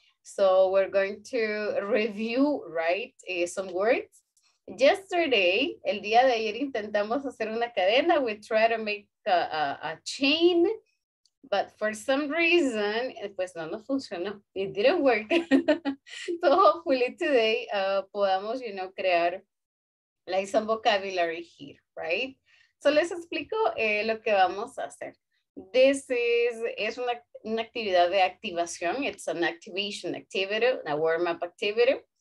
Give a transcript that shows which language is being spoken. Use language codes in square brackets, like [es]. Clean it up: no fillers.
[en] So we're going to review, right, some words. [es] Yesterday, el día de ayer, intentamos hacer una cadena. [en] We try to make a chain, but for some reason, [es] pues no nos funcionó. [en] It didn't work. So hopefully today, podamos, you know, crear like some vocabulary here, right? [es] So les explico lo que vamos a hacer. [en] This is [es] una actividad de activación. [en] It's an activation activity, a warm-up activity.